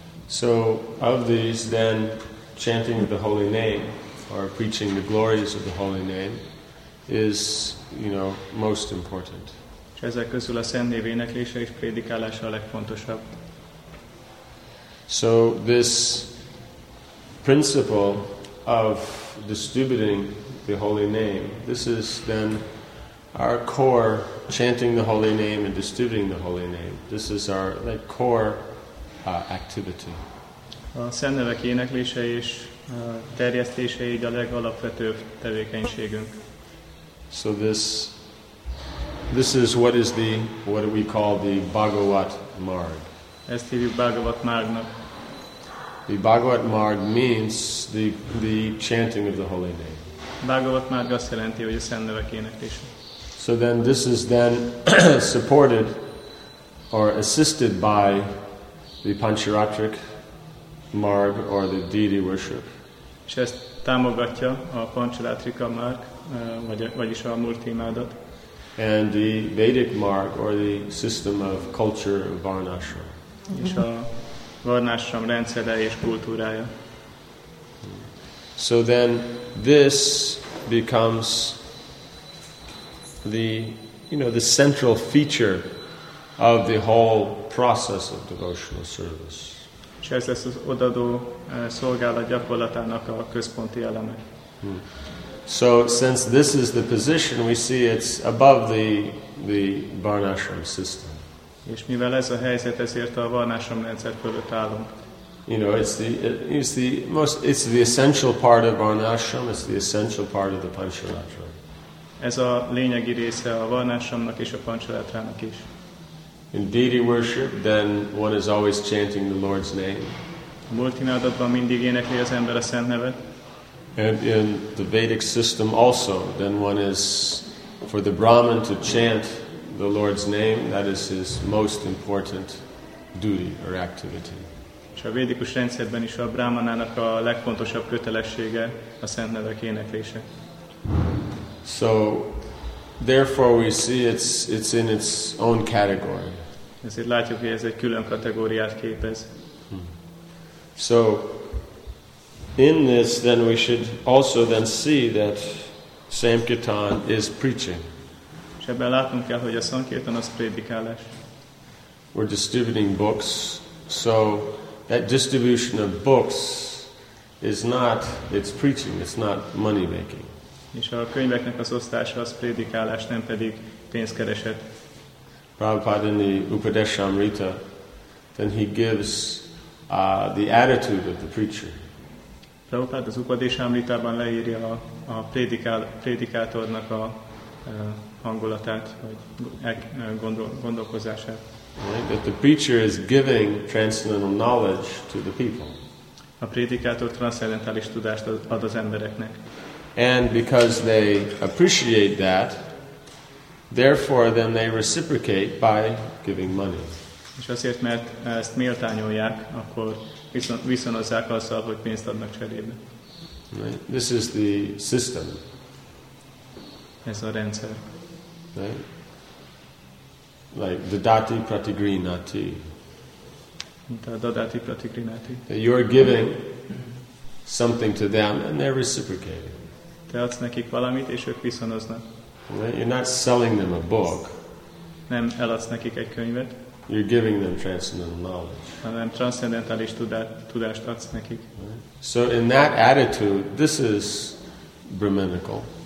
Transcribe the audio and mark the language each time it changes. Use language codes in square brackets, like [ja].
[en] So of these, then chanting the holy name or preaching the glories of the holy name is, you know, most important. [hu] Ezek közül a szent név éneklése és prédikálása a legfontosabb. [en] So this principle of distributing the holy name, this is then our core, chanting the holy name and distributing the holy name. This is our like core activity. [hu] A szent nevek éneklése és terjesztése így a legalapvetőbb tevékenységünk. [en] So this is what we call the Bhagavat Marg. [hu] Ezt hívjuk Bhagavat Margnak. [en] The Bhagavat Marg means the chanting of the holy name. [hu] Bhagavat Marg azt jelenti, hogy a szent nevek éneklése. [en] So then this is then supported or assisted by the Pancharatrik Marg or the deity worship. [hu] És ezt támogatja a Pancharatrika Marg, vagyis a Murti imádat. [en] And the Vedic Marg or the system of culture of Varnashram. [hu] És a Varnashram rendszere és kultúrája. [en] So then this becomes the, you know, the central feature of the whole process of devotional service. [hu] És ez lesz az odaadó szolgálat gyakorlatának a központi eleme. [en] So since this is the position, we see it's above the Varnashram system. [hu] És mivel ez a helyzet, ezért a Varnashram rendszer fölött állunk. [en] You know, it's the essential part of Varnashram, it's the essential part of the Pancharatra. [hu] Ez a lényegi része a Varnashramnak és a Pancharatrának is. [en] In deity worship, then one is always chanting the Lord's name. [hu] A multimádatban mindig énekli az ember a szent nevet. [en] And in the Vedic system also, then one is, for the Brahmin to chant the Lord's name, that is his most important duty or activity. [hu] És a védikus rendszerben is a Brahmanának a legfontosabb kötelessége a szent nevek éneklése. [en] So, therefore we see it's in its own category. [hu] Ezért látjuk, hogy ez egy külön kategóriát képez. [en] So, in this, then we should also then see that Sankirtan is preaching. [hu] És ebben látnunk kell, hogy a Sankirtan az prédikálás. [en] We're distributing books, so that distribution of books is not, it's preaching, it's not money making. [hu] És a könyveknek az osztása az prédikálás, nem pedig pénzkereset. [en] Prabhupada in the Upadeshamrita, then he gives the attitude of the preacher. [hu] Prabhupada az Upadeshamritában leírja a prédikátornak a hangulatát, vagy gondolkozását. [en] Right? That the preacher is giving transcendental knowledge to the people. [hu] A prédikátor transzcendentális tudást ad az embereknek. [en] And because they appreciate that, therefore then they reciprocate by giving money. [hu] És azért, mert ezt méltányolják, akkor viszonozzák azzal, hogy pénzt adnak cserébe. [en] Right? This is the system. [hu] Ez a rendszer. [en] Right? Like the dati pratigrinati. [hu] Mint a dadati pratigrinati. [en] You're giving something to them and they're reciprocating. [hu] Te adsz nekik valamit, és ők viszonoznak. [en] Right? You're not selling them a book. [hu] Nem eladsz nekik egy könyvet. [en] You're giving them transcendental knowledge. [hu] Hanem transzcendentális tudást adsz nekik. [en] Right? So in that attitude, this is brahminical.